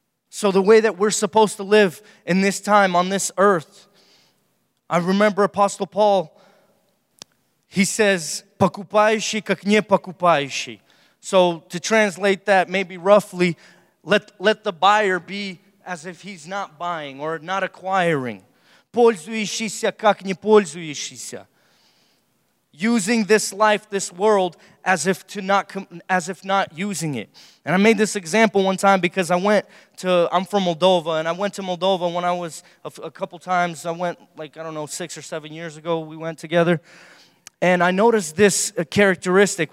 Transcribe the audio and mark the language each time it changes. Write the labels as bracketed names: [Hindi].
[English] So the way that we're supposed to live in this time on this earth, I remember Apostle Paul, he says, [Russian] "Покупающий, как не покупающий." [English] So to translate that maybe roughly, let the buyer be as if he's not buying or not acquiring. [Russian] Пользующийся, как не пользующийся. [English] Using this life, this world, as if not using it. And I made this example one time because I'm from Moldova, and I went to Moldova when I was a couple times. I went, 6 or 7 years ago, we went together. And I noticed this characteristic.